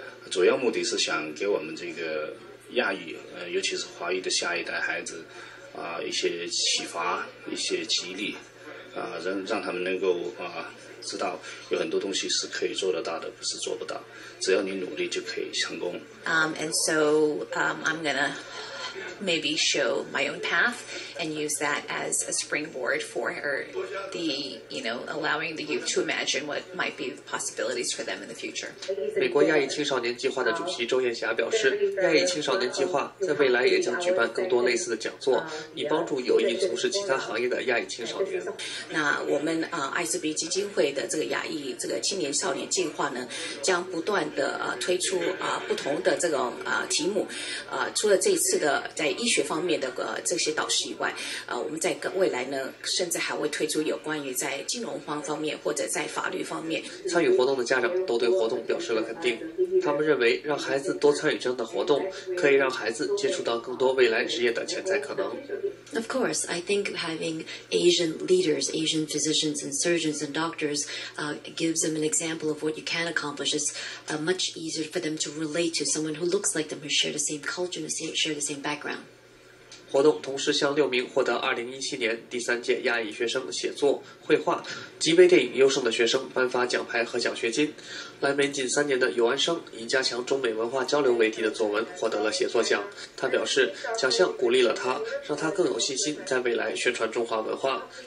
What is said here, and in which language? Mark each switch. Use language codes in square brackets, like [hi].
[zh] 主要目的是想给我们这个亚裔尤其是华裔的下一代孩子一些启发，一些激励让他们能够知道有很多东西是可以做得到的，不是做不到，只要你努力就可以成功。 [en] I'm gonna maybe show my own path and use that as a springboard for the, you know, allowing the youth to imagine what might be possibilities for them in the future. [zh] 美国亚裔青少年计划的主席周艳霞表示，亚裔青少年计划在未来也将举办更多类似的讲座，以帮助有意从事其他行业的亚裔青少年。那我们艾滋病基金会的这个亚裔这个青年少年计划呢，将不断的推出不同的这种题目，除了这次的在医学方面的这些导师以外，我们在未来呢，甚至还会推出有关于在金融方面或者在法律方面。参与活动的家长都对活动表示了肯定，他们认为让孩子多参与这样的活动，可以让孩子接触到更多未来职业的潜在可能。 [en] Of course, I think having Asian leaders, Asian physicians and surgeons and doctors, gives them an example of what you can accomplish. It's much easier for them to relate to someone who looks like them, who share the same culture, who share the same background. [zh] 活动同时向六名获得2017年第三届亚裔学生写作、绘画及微电影优胜的学生颁发奖牌和奖学金。来美近三年的尤安生以加强中美文化交流为题的作文获得了写作奖。他表示，奖项鼓励了他，让他更有信心在未来宣传中华文化。